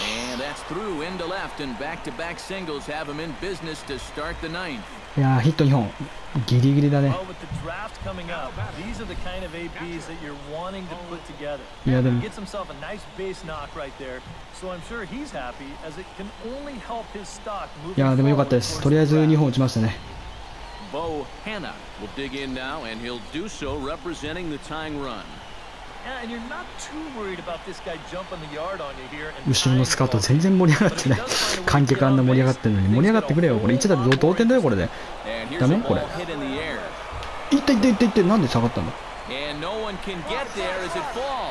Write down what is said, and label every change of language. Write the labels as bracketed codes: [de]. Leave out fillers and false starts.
[en] And that's through into left and back to back singles have him in business to start the ninth. [ja] いやヒット2本。ギリギリだね。 [en] Well, with the draft coming up, these are the kind of ABs that you're wanting to put together. Yeah, then. Gets himself a nice base knock right there. So I'm sure he's happy as it can only help his stock move. [ja] いやでも良かったです。とりあえず2本打ちましたね。 [en] Bo Hanna will dig in now and he'll do so representing the tying run. Yeah, and you're not too worried about this guy jumping the yard on you here. [ja] 後ろのスカウト全然盛り上がってない。観客あんな盛り上がってるのに盛り上がってくれよ。これ1打で同点だよこれで。ダメこれ。いってなんで下がったの。 [en] And no one can get there as it falls.